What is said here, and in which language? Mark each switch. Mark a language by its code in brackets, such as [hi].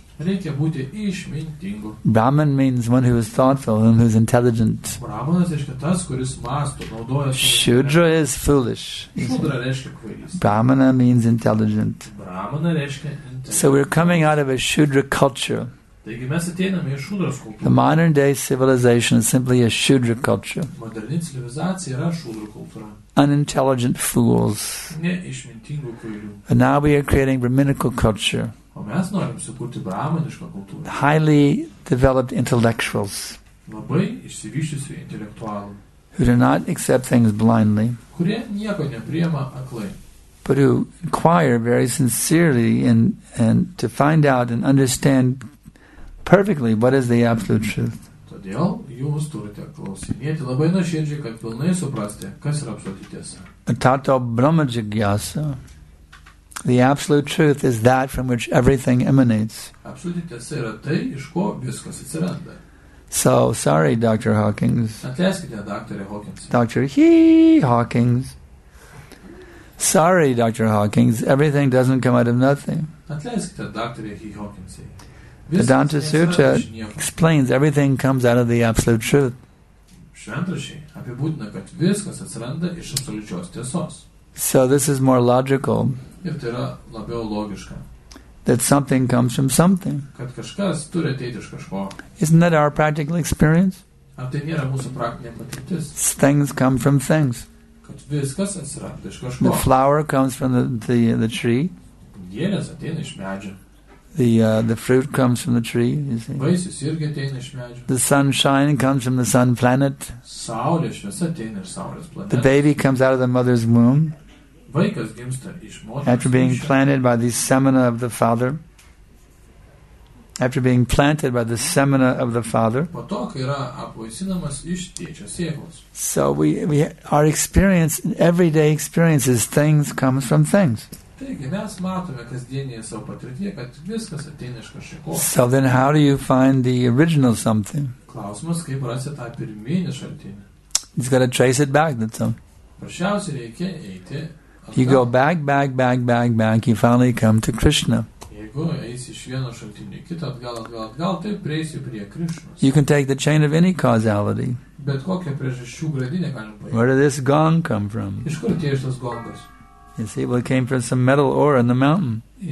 [lt] Reikia būti išmintingu. [en] Brahman means one who is thoughtful and who is intelligent. [lt] Brahmanas reiškia tas, kuris masto, naudoja savo. [en] Shudra is foolish. [lt] Shudra reiškia kvailis. [en] Brahmana means intelligent. [lt] Brahmana reiškia intelligent. [en] So we're coming out of a Shudra culture. [lt] Taigi mes ateiname iš Shudras kultūros. [en] The modern day civilization is simply a Shudra culture. [lt] Moderni civilizacija yra Shudra kultūra. [en] Unintelligent fools. [lt] Neišmintingų kvailių. [en] And now we are creating brahminical culture. [lt] O mes norim sukurti brahmanišką kultūrą. [en] Highly developed intellectuals. [lt] Labai išsivysčiusių intelektualų. [en] Who do not accept things blindly. [lt] Kurie nieko nepriima aklai. [en] But who inquire very sincerely and to find out and understand perfectly what is the absolute truth. [lt] Todėl jūs turite klausinėti labai nuoširdžiai, kad pilnai suprasti, kas yra absoliuti tiesa. [sa] Tato brahma jigyasa. [en] The absolute truth is that from which everything emanates. [lt] Absoliuti tiesa yra tai, iš ko viskas atsiranda. [en] So, sorry, Dr. Hawkins. [lt] Atleiskite, Dr. Hawkins. [en] Hawkins. Sorry, Dr. Hawkins. Everything doesn't come out of nothing. [lt] Atleiskite, Dr. Hawkins. [en] Vedanta Sutra explains everything comes out of the absolute truth. [lt] Šventrašiai apibūdina, kad viskas atsiranda iš absoliučios tiesos. [en] So this is more logical. [lt] Ir tai yra labiau logiška. [en] That something comes from something. [lt] Kad kažkas turi ateiti iš kažko. [en] Isn't that our practical experience? [lt] Ar tai nėra mūsų praktinė patirtis? [en] Things come from things. [lt] Kad viskas atsiranda iš kažko. [en] The flower comes from the tree. [lt] Gėlės ateina iš medžio. [en] The fruit comes from the tree, you see. [lt] Vaisius irgi ateina iš medžio. [en] The sunshine comes from the sun planet. [lt] Saulė šviesa ateina iš saulės planetos. [en] The baby comes out of the mother's womb. [lt] Vaikas gimsta iš motinos. [en] After being planted by the semina of the father. [lt] Po to, kai yra apvaisinamas iš tėčio sėklos. [en] So we our experience, everyday experience is things comes from things. [lt] Taigi mes matome kasdienėje savo patirtyje, kad viskas ateina iš kažko. [en] So then how do you find the original something? [lt] Klausimas, kaip rasi tą pirminį šaltinį. [en] You've got to trace it back, that's all. [lt] Paprasčiausiai reikia eiti atgal. [en] You go back, you finally come to Krishna. [lt] Jeigu eisi iš vieno šaltinio į kitą, atgal, tai prieisi prie Krishnos. [en] You can take the chain of any causality. [lt] Bet kokią priežasčių grandinę galim paimti. [en] Where did this gong come from? [lt] Iš kur atėjo šitas gongas? [en] You see, well, it came from some metal ore in the mountain.